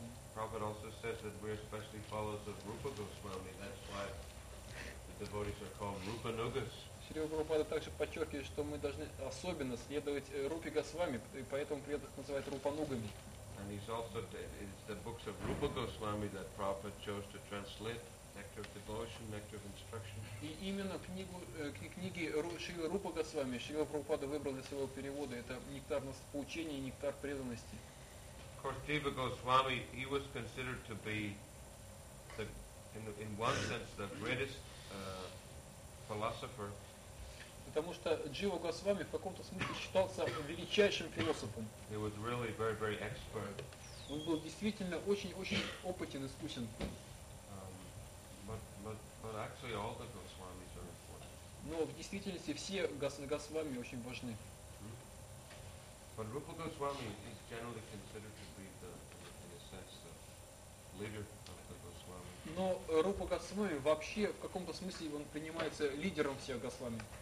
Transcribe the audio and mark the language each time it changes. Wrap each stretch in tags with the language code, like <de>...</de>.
<en>Prabhupada also says that we're especially followers of Rupa Goswami. That's why the devotees are called Rupanugas.</en> <ru>Шрила Прабхупада также подчеркивает, что мы должны особенно следовать Рупе Госвами, и поэтому преданных называют Рупанугами.</ru> <en>And he's also it's the books of Rupa Goswami that Prabhupada chose to translate. Nectar of devotion, nectar of instruction.</en> <ru>И именно книги Шрила Рупа Госвами, Шрила Прабхупада выбрал для своего перевода это нектар поучения и нектар преданности.</ru> <en>Of course, Jiva Goswami, he was considered to be, in one sense, the greatest philosopher.</en> <ru>Потому что Джива Госвами в каком-то смысле считался величайшим философом.</ru> <en>He was really very, very expert.</en> <ru>Он был действительно очень-очень опытен, искусен.</ru> <en>But actually, all the Goswamis are important.</en> <ru>Но в действительности все Госвами очень важны.</ru> <en>But Rupa Goswami is generally considered to be the, in a sense, the leader of the Goswami.</en> <ru>Но Рупа Госвами вообще в каком-то смысле он принимается лидером всех Госвами.</ru>